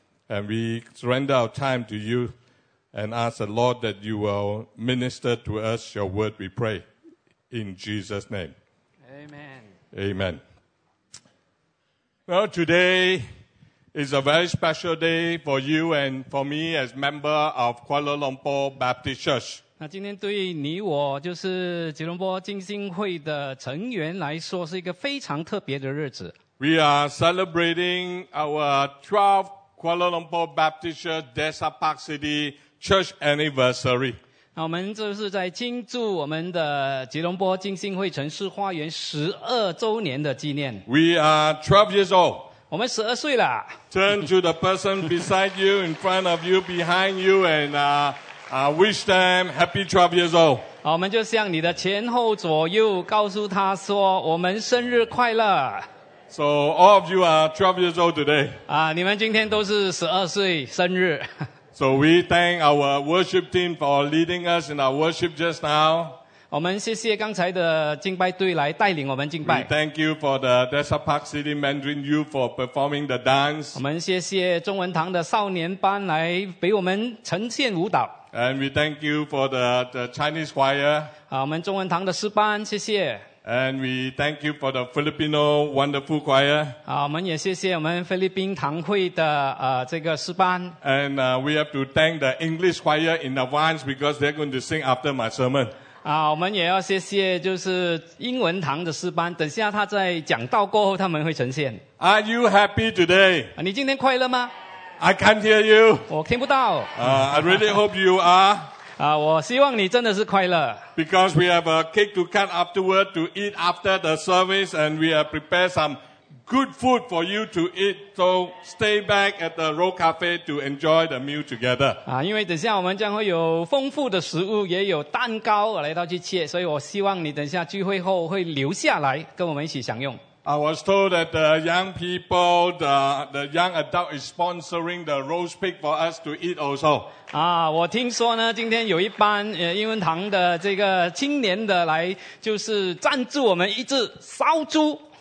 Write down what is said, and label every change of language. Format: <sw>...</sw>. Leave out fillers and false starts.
<en>And we surrender our time to you and ask the Lord that you will minister to us your word, we pray. In Jesus' name. Amen. Amen. Well, today is a very special day for you and for me as member of Kuala Lumpur Baptist Church.</en> <zh>那今天对你我就是吉隆坡浸信会的成员来说是一个非常特别的日子。</zh> <en>We are celebrating our 12th Kuala Lumpur Baptist Church Desak Park City Church Anniversary.</en> <zh>那我们就是在庆祝我们的吉隆坡浸信会城市花园12周年的纪念。</zh> <en>We are 12 years old.</en> <zh>我们十二岁了。</zh> <en>Turn to the person beside you, in front of you, behind you, and wish them happy 12 years old.</en> <zh>好，我们就向你的前后左右告诉他说，我们生日快乐。</zh> <en>So all of you are 12 years old today.</en> <zh>啊，你们今天都是十二岁生日。</zh> <en>So we thank our worship team for leading us in our worship just now.</en> <zh>我们谢谢刚才的敬拜队来带领我们敬拜。</zh> <en>We thank you for the Desak Park City Mandarin Youth for performing the dance.</en> <zh>我们谢谢中文堂的少年班来给我们呈现舞蹈。</zh> <en>And we thank you for the Chinese choir.</en> <zh>我们中文堂的诗班，谢谢。</zh> <en>And we thank you for the Filipino wonderful choir.</en> <zh>我们也谢谢我们菲律宾堂会的这个诗班。</zh> <en>And we have to thank the English choir in advance because they're going to sing after my sermon.</en> <zh>我们也要谢谢就是英文堂的诗班，等下他在讲道过后他们会呈现。</zh> <en>Are you happy today?</en> <zh>你今天快乐吗？</zh> <en>I can't hear you.</en> <zh>我听不到。</zh> <en>I really hope you are.</en> <zh>我希望你真的是快乐。</zh> <en>Because we have a cake to cut afterward to eat after the service and we have prepared some good food for you to eat. So stay back at the Road Cafe to enjoy the meal together.</en> <zh>因为等下我们将会有丰富的食物，也有蛋糕来到去切，所以我希望你等下聚会后会留下来跟我们一起享用。</zh> <en>I was told that the young people, the young adult is sponsoring the roast pig for us to eat also.</en> <zh>我听说呢，今天有一班英文堂的这个青年的来，就是赞助我们一只烧猪。</zh>